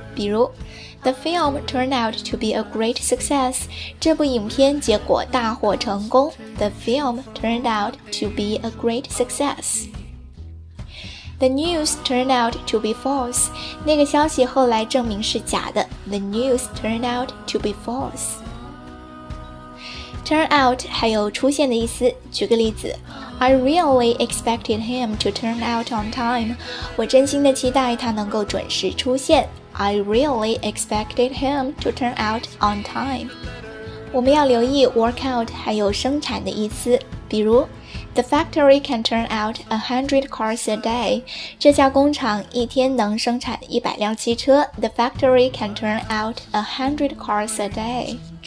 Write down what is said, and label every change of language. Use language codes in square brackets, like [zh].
[zh] 比如 [en] ，The film turned out to be a great success. [zh] 这部影片结果大获成功。 [en] The film turned out to be a great success. The news turned out to be false. [zh] 那个消息后来证明是假的。 [en] The news turned out to be false. Turn out [zh] 还有出现的意思。举个例子， [en] I really expected him to turn out on time. [zh] 我真心的期待他能够准时出现。 [en] I really expected him to turn out on time. [zh] 我们要留意 work out 还有生产的意思。比如， [en] The factory can turn out 100 cars a day. [zh] 这家工厂一天能生产100辆汽车。 [en] The factory can turn out 100 cars a day.